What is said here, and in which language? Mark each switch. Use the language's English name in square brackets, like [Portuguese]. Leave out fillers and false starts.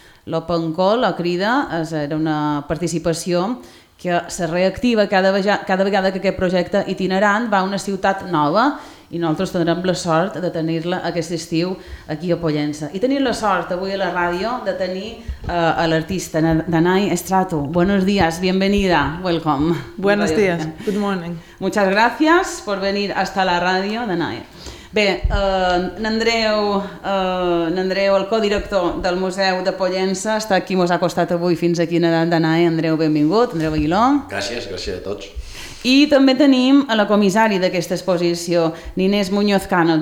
[Catalan] L'Open Call, la crida, era una participació que se reactiva cada vegada que aquest projecte itinerant va a una ciutat nova i nosaltres tindrem la sort de tenir-la aquest estiu aquí a Pollença. I tenir la sort avui a la ràdio de tenir a l'artista Danai Istrato. [Spanish] Buenos días, bienvenida, [English] welcome. [Spanish] Buenos días, [English] good morning. [Spanish] Muchas gracias por venir hasta la ràdio, Danai. [Catalan] Bé, n'Andreu, el codirector del Museu de Pollença, està aquí, mos ha costat avui fins aquí, Danai. Andreu, benvingut, Andreu Aguiló. Gràcies, gràcies a tots. I també tenim a la comissari d'aquesta exposició, Inés Muñoz Cano.